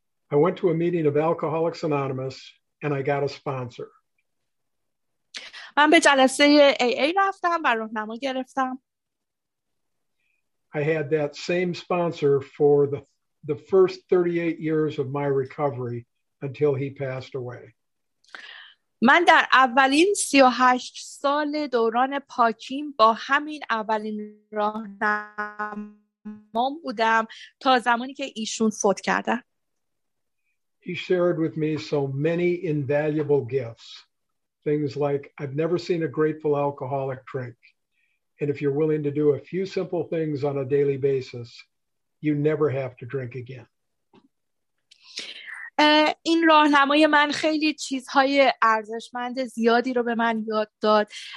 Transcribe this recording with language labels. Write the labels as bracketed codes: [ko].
[en] I went to a meeting of Alcoholics Anonymous and I got a sponsor. [fa] من به جلسه AA رفتم و راهنمایی گرفتم. [en] I had that same sponsor for the first 38 years of my recovery until he passed away. [fa] من در اولین 38 سال دوران پاکیم با همین اولین راهنمام بودم تا زمانی که ایشون فوت کردن. [en] He shared with me so many invaluable gifts, things like, I've never seen a grateful alcoholic drink. And if you're willing to do a few simple things on a daily basis, you never have to drink again. [fa] این راهنمای من خیلی چیزهای ارزشمند زیادی رو به من یاد داد.